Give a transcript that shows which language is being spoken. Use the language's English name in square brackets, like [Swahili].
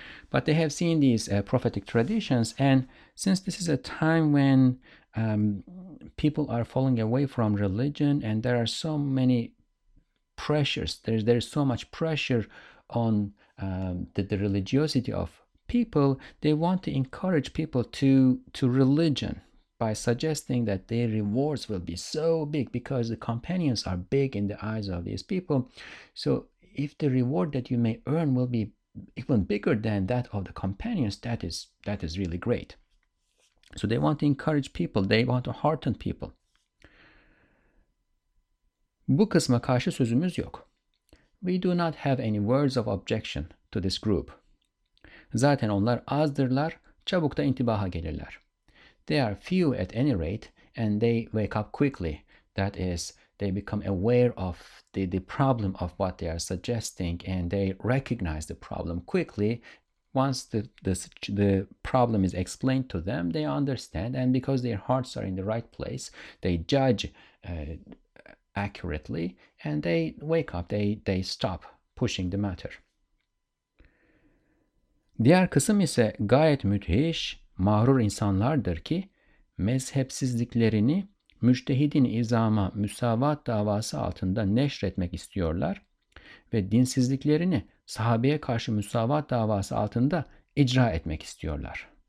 [English] But they have seen these prophetic traditions, and since this is a time when people are falling away from religion and there are so many pressures, there's so much pressure on the religiosity of people, they want to encourage people to religion by suggesting that their rewards will be so big because the companions are big in the eyes of these people. So if the reward that you may earn will be even bigger than that of the companions, that is really great. So they want to encourage people, they want to hearten people. [Turkish] Bu kısma karşı sözümüz yok. [English] We do not have any words of objection to this group. [Turkish] Zaten onlar azdırlar, çabuk da intibaha gelirler. [English] They are few at any rate, and they wake up quickly. That is, they become aware of the problem of what they are suggesting, and they recognize the problem quickly. Once the problem is explained to them, they understand, and because their hearts are in the right place, they judge accurately, and they wake up, they stop pushing the matter. [Turkish] Diğer kısım ise gayet müthiş, mağrur insanlardır ki, mezhepsizliklerini müçtehidin izama müsavat davası altında neşretmek istiyorlar ve dinsizliklerini sahabeye karşı müsavat davası altında icra etmek istiyorlar.